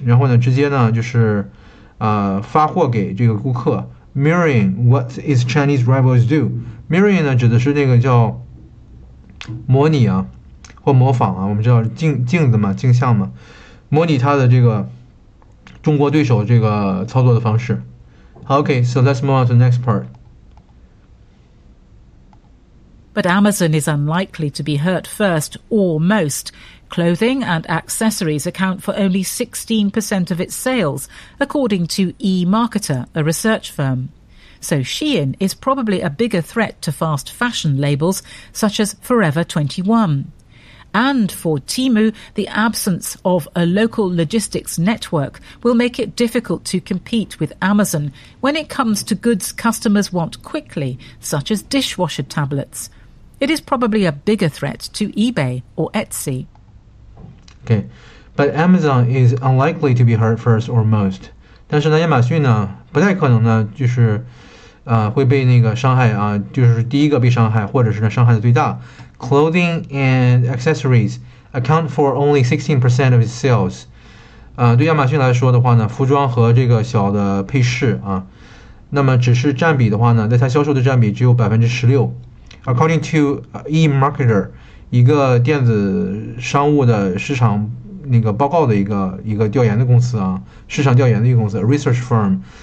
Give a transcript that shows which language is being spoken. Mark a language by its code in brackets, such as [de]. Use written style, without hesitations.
[zh] 然后呢，直接呢就是，发货给这个顾客。 [en] Mirroring what its Chinese rivals do。 [zh] Mirroring 呢指的是那个叫模拟啊。或模仿啊，我们知道镜子嘛，镜像嘛，模拟他的这个中国对手这个操作的方式。 [en] Okay, so let's move on to the next part. But Amazon is unlikely to be hurt first or most. Clothing and accessories account for only 16% of its sales, according to eMarketer, a research firm. So Shein is probably a bigger threat to fast fashion labels such as Forever 21. And for Temu, the absence of a local logistics network will make it difficult to compete with Amazon when it comes to goods customers want quickly, such as dishwasher tablets. It is probably a bigger threat to eBay or Etsy. Okay, but Amazon is unlikely to be hurt first or most. [zh] 但是呢，亚马逊呢，不太可能呢，就是会被那个伤害啊，就是第一个被伤害，或者是呢伤害的最大。 [en] Clothing and accessories account for only 16% of its sales. [zh] 对亚马逊来说的话呢，服装和这个小的配饰啊，那么只是占比的话呢，在它销售的占比只有16%。 [en] According to eMarketer, [zh] 一个电子商务的市场那个报告的一个调研的公司啊，市场调研的一个公司 ， [en] research firm.